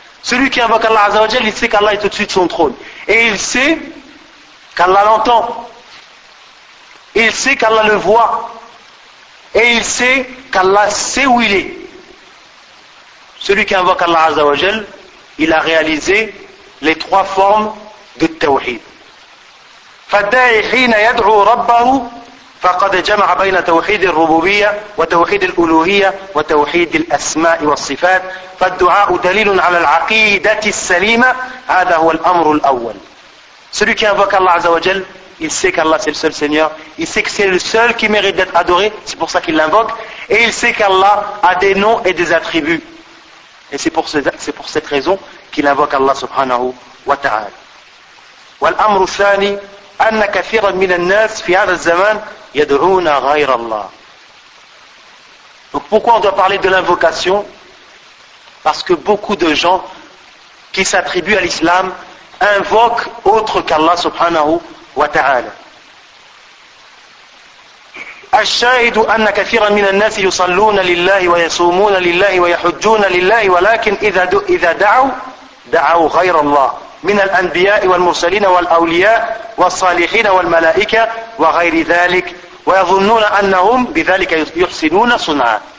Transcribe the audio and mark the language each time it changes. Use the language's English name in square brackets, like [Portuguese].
[French] Celui qui invoque Allah Azza wa Jalla, il sait qu'Allah est au-dessus de son trône et il sait qu'Allah l'entend. Il sait qu'Allah le voit. Et il sait qu'Allah sait où il est. Celui qui invoque Allah Azza wa Jal, il a réalisé les trois formes de tawhid. [Arabic] فالداعي حين يدعو ربه فقد جمع بين توحيد الربوبية وتوحيد الألوهية وتوحيد الأسماء والصفات فالدعاء دليل على العقيدة السليمة هذا هو الأمر الأول. [French] Celui qui invoque Allah Azza wa Jal, il sait qu'Allah c'est le seul Seigneur, il sait que c'est le seul qui mérite d'être adoré, c'est pour ça qu'il l'invoque, et il sait qu'Allah a des noms et des attributs. Et c'est pour cette raison qu'il invoque Allah subhanahu wa ta'ala. [Arabic] والأمر الثاني أن كثيرا من الناس في هذا الزمان يدعون غير الله. [French] Donc pourquoi on doit parler de l'invocation? Parce que beaucoup de gens qui s'attribuent à l'islam invoquent autre qu'Allah subhanahu wa ta'ala. [Arabic] الشاهد أن كثيرا من الناس يصلون لله ويصومون لله ويحجون لله ولكن إذا دعوا غير الله من الأنبياء والمرسلين والأولياء والصالحين والملائكة وغير ذلك ويظنون أنهم بذلك يحسنون صنعا.